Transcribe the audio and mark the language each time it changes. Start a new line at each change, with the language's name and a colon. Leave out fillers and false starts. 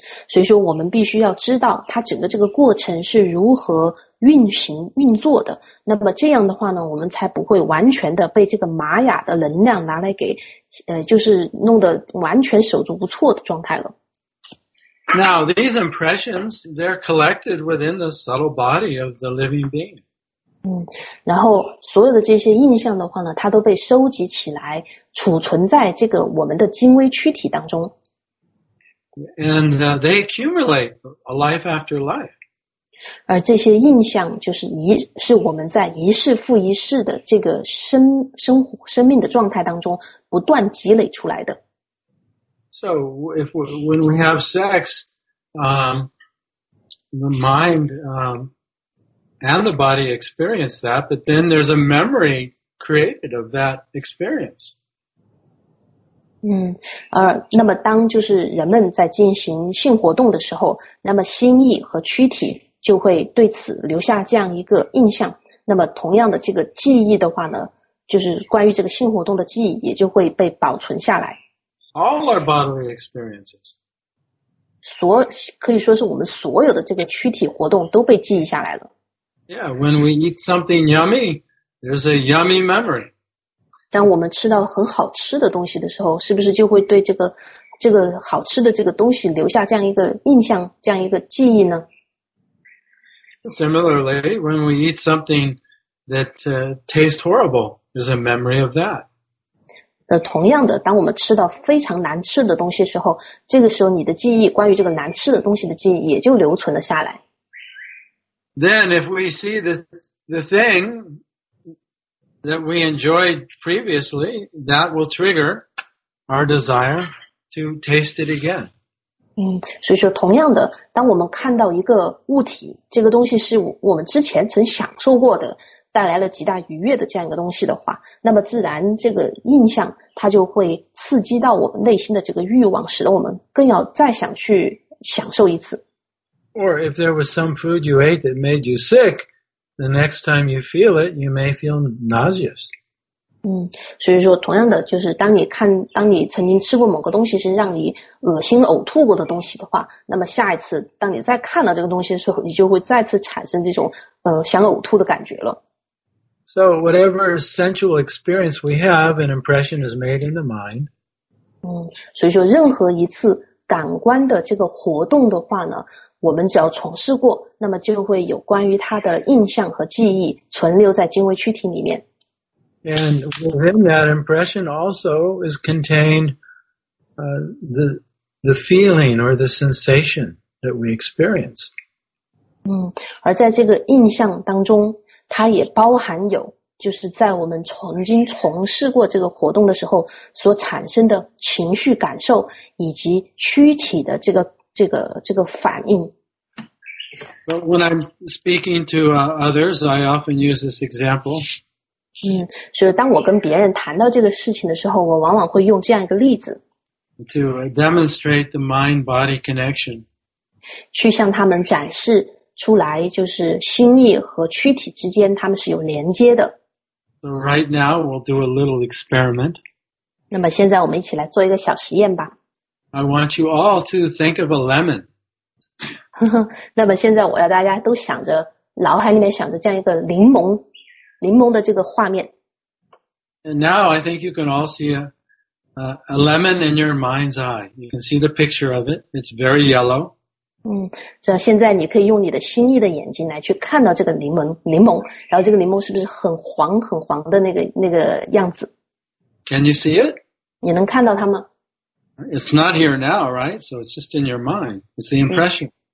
Chinese: 所以说我们必须要知道它整个这个过程是如何运行运作的，那么这样的话呢，我们才不会完全的被这个玛雅的能量拿来给就是弄得完全手足无措的状态了。
English: Now, these impressions, they're collected within the subtle body of the living being.
Chinese: 嗯，然后所有的这些印象的话呢，它都被收集起来，储存在这个我们的精微躯体当中。
English: And they accumulate a life after life.
Chinese: 而这些印象就是是我们在一世复一世的这个生命的状态当中不断积累出来的。
English: So, when we have sex, the mind and the body experience that, but then there's a memory created of that experience.
Chinese: 那么当就是人们在进行性活动的时候，那么心意和躯体就会对此留下这样一个印象。那么同样的这个记忆的话呢，就是关于这个性活动的记忆也就会被保存下来。
English: All our bodily experiences.
Chinese: 可以说是我们所有的这个躯体活动都被记忆下来了。
English: Yeah, when we eat something yummy, there's a yummy memory.
Chinese: 当我们吃到很好吃的东西的时候，是不是就会对这个好吃的这个东西留下这样一个印象，这样一个记忆呢？
English: Similarly, when we eat something that tastes horrible, there's a memory of that.
Chinese: 同样的，当我们吃到非常难吃的东西时候，这个时候你的记忆，关于这个难吃的东西的记忆也就留存了下来。
English: Then if we see the thing that we enjoyed previously, that will trigger our desire to taste it again.
Chinese: 所以说同样的，当我们看到一个物体，这个东西是我们之前曾享受过的，带来了极大愉悦的这样一个东西的话，那么自然这个印象它就会刺激到我们内心的这个欲望，使得我们更要再想去享受一次。
English: Or if there was some food you ate that made you sick, the next time you feel it, you may feel nauseous.
Chinese: 所以说同样的，就是当你曾经吃过某个东西是让你恶心呕吐过的东西的话，那么下一次当你再看到这个东西的时候，你就会再次产生这种想呕吐的感觉了。
English: So whatever sensual experience we have, an impression is made in the mind.
Chinese: 所以说任何一次感官的这个活动的话呢，我们只要从事过，那么就会有关于它的印象和记忆存留在精微躯体里面。
English: And within that impression also is contained the feeling or the sensation that we experience.
Chinese: 而在这个印象当中，它也包含有就是在我们曾经从事过这个活动的时候所产生的情绪感受以及躯体的这个反应。
English: But when I'm speaking to others, I often use this example.
Chinese: 所以当我跟别人谈到这个事情的时候，我往往会用这样一个例子。
English: To demonstrate the mind-body connection.
Chinese: 去向他们展示出来就是心意和躯体之间他们是有连接的。
English: So right now, we'll do a little experiment.
Chinese: 那么现在我们一起来做一个小实验吧。
English: I want you all to think of a lemon.
Chinese: 那么现在我要大家都想着，脑海里面想着这样一个柠檬的这个画面。
English: And now I think you can all see a lemon in your mind's eye. You can see the picture of it. It's very yellow.
Chinese: 现在你可以用你的心意的眼睛来去看到这个柠檬，然后这个柠檬是不是很黄很黄的那个样子。
English: Can you see it?
Chinese: 你能看到它吗？
English: It's not here now, right? So it's just in your mind. It's the impression.